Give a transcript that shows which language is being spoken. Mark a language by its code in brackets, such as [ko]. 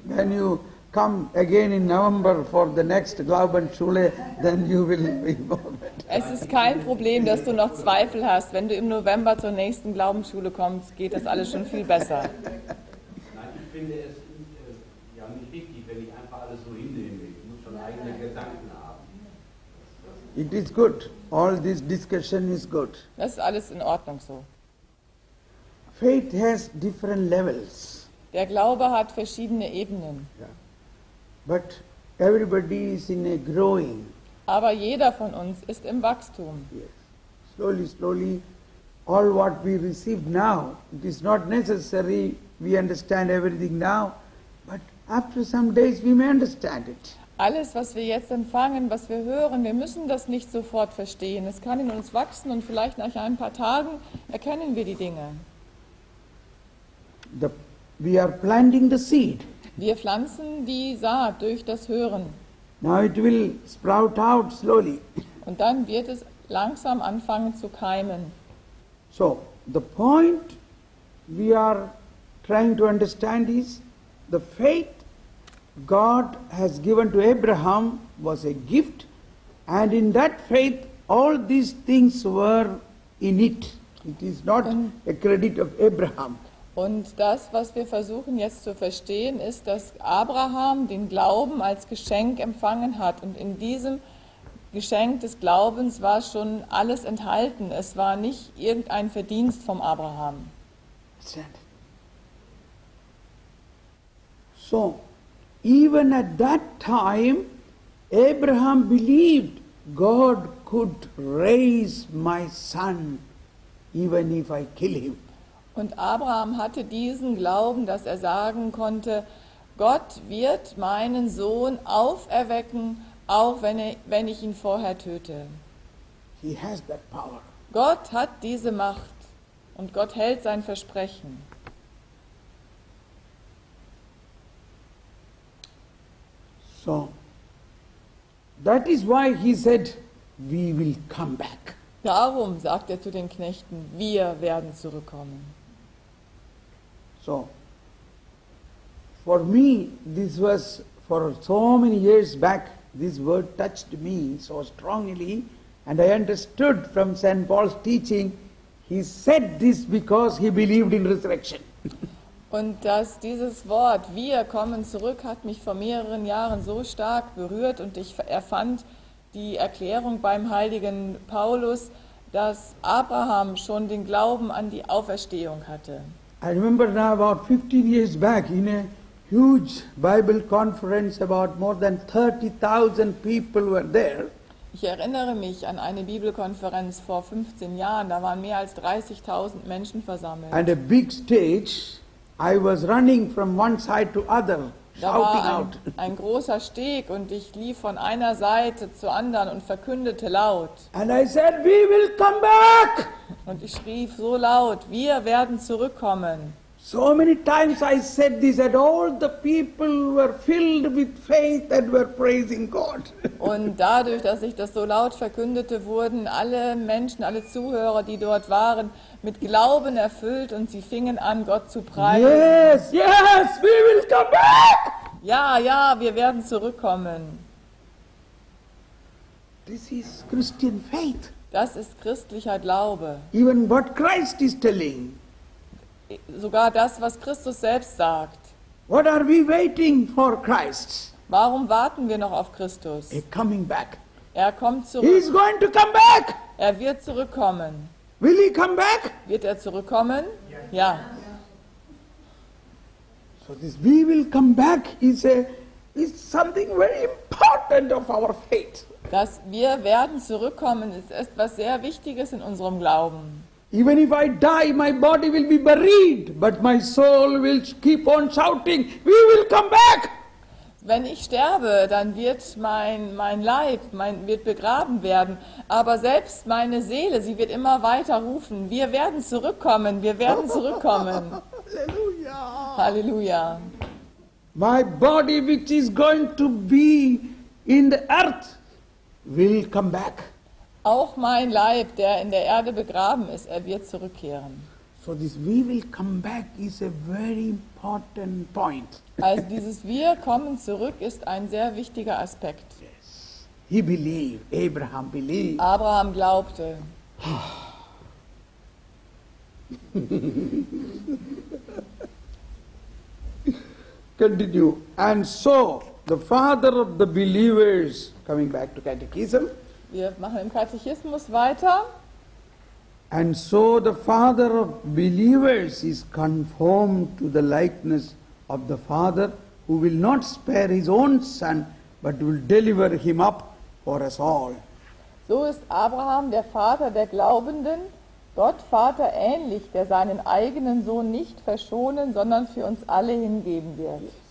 [en] When you come again in November for the next Glaubensschule, then you will be bothered. [de] Es ist kein Problem, dass du noch Zweifel hast. Wenn du im November zur nächsten Glaubensschule kommst, geht das alles schon viel besser. Nein, ich finde es ja nicht richtig, wenn ich einfach alles so hinnehme. Ich muss schon eigene Gedanken haben. [en] It is good. All this discussion is good. [de] Das ist alles in Ordnung so. [en] Faith has different levels. [de] Der Glaube hat verschiedene Ebenen. [en] Yeah. But everybody is in a growing. [de] Aber jeder von uns ist im Wachstum. [en] Yes. Slowly, slowly, all what we receive now, it is not necessary we understand everything now, but after some days we may understand it. [de] Alles, was wir jetzt empfangen, was wir hören, wir müssen das nicht sofort verstehen. Es kann in uns wachsen und vielleicht nach ein paar Tagen erkennen wir die Dinge. [en] We are planting the seed. [de] Wir pflanzen die Saat durch das Hören. [en] Now it will sprout out slowly. [de] Und dann wird es langsam anfangen zu keimen. [en] So, the point we are trying to understand is the faith God has given to Abraham was a gift, and in that faith all these things were in it. It is not a credit of Abraham. [de] Und das, was wir versuchen jetzt zu verstehen, ist, dass Abraham den Glauben als Geschenk empfangen hat. Und in diesem Geschenk des Glaubens war schon alles enthalten. Es war nicht irgendein Verdienst vom Abraham. [en] So, even at that time, Abraham believed God could raise my son, even if I kill him. [de] Und Abraham hatte diesen Glauben, dass er sagen konnte, Gott wird meinen Sohn auferwecken, auch wenn ich ihn vorher töte. [en] He has that power. [de] Gott hat diese Macht und Gott hält sein Versprechen. [en] So, that is why he said, we will come back. [de] Darum sagt er zu den Knechten, wir werden zurückkommen. [en] So, for me, this was for so many years back, this word touched me so strongly, and I understood from St. Paul's teaching, he said this because he believed in resurrection. [de] Und dass dieses Wort, wir kommen zurück, hat mich vor mehreren Jahren so stark berührt, und ich erfand die Erklärung beim heiligen Paulus, dass Abraham schon den Glauben an die Auferstehung hatte. [en] I remember now about 15 years back in a huge Bible conference, about more than 30,000 people were there. [de] Ich erinnere mich an eine Bibelkonferenz vor 15 Jahren, da waren mehr als 30.000 Menschen versammelt. [en] And a big stage, I was running from one side to other, shouting out. [de] Ein großer Steg und ich lief von einer Seite zur anderen und verkündete laut. [en] And I said, we will come back. [de] Und ich schrie so laut, wir werden zurückkommen. [en] So many times I said this, and all the people were filled with faith and were praising God. [de] Und dadurch, dass ich das so laut verkündete, wurden alle Menschen, alle Zuhörer, die dort waren, mit Glauben erfüllt und sie fingen an, Gott zu preisen. [en] Yes, yes, we will come back. [de] Ja, ja, wir werden zurückkommen. [en] This is Christian faith. [de] Das ist christlicher Glaube. [en] Even what Christ is telling. [de] Sogar das, was Christus selbst sagt. [en] What are we waiting for Christ? [de] Warum warten wir noch auf Christus? [en] He's coming back. [de] Er kommt zurück. [en] He's going to come back. [de] Er wird zurückkommen. [en] Will he come back? [de] Wird er zurückkommen? [en] Yes. [de] Ja. [en] So this we will come back is something very important of our faith. [de] Dass wir werden zurückkommen, ist etwas sehr Wichtiges in unserem Glauben. [en] Even if I die, my body will be buried, but my soul will keep on shouting, we will come back. [de] Wenn ich sterbe, dann wird mein Leib wird begraben werden, aber selbst meine Seele, sie wird immer weiter rufen, wir werden zurückkommen, wir werden zurückkommen. Halleluja. Halleluja. [en] My body which is going to be in the earth will come back. [de] Auch mein Leib, der in der Erde begraben ist, er wird zurückkehren. [en] So this we will come back is a very important point. [de] Also dieses wir kommen zurück ist ein sehr wichtiger Aspekt. [en] Yes. He believed. Abraham believed. [de] Abraham glaubte. [en] Continue. And so the father of the believers, coming back to catechism. [de] Wir machen im Katechismus weiter. [en] And so the father of believers is conformed to the likeness of the father, who will not spare his own son, but will deliver him up for us all. [de] So ist Abraham der Vater der Glaubenden, Gott Vater ähnlich, der seinen eigenen Sohn nicht verschonen, sondern für uns alle hingeben wird.